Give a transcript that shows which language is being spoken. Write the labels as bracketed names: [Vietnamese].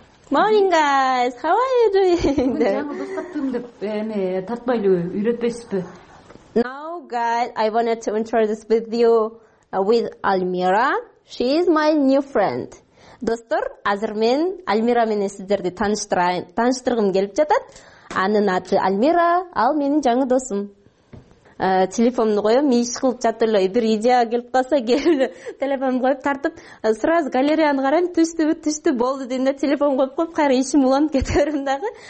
[English] Morning guys, how are you doing? [Kyrgyz] Жаңы достоттум деп эме тартпай эле үйрөтпөйсүзбү? [English] Now guys, I wanted to introduce with you with Almira. She is my new friend. [Kyrgyz] Достор, азыр мен Almira менен сиздерди тааныштыргым келип жатат. Анын аты Almira, ал менин жаңы досум. Телефонду коем, иш кылып жатып эле бир идея келип калса, келип эле телефонду коюп тартып, сразу галереяны карайм, түстүбү, түстү болду дегенде телефон коюп коюп, кайра ишим уланып кете берем дагы.